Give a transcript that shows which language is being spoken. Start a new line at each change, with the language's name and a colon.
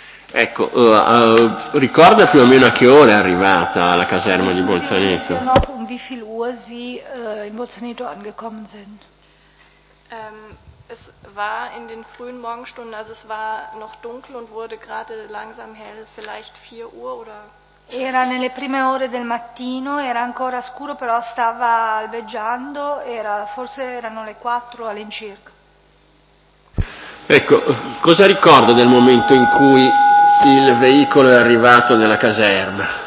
Italian: Ecco, ricorda più o meno a che ora è arrivata alla caserma di Bolzaneto?
German: Um wie viel Uhr sie in Bolzaneto angekommen sind. Es war in den frühen Morgenstunden, also es war noch dunkel und wurde gerade langsam hell, vielleicht 4 Uhr oder.
Italian: Era nelle prime ore del mattino, era ancora scuro, però stava albeggiando, era, forse erano le 4 all'incirca. Ecco, cosa ricorda del momento in cui il veicolo è arrivato nella caserma?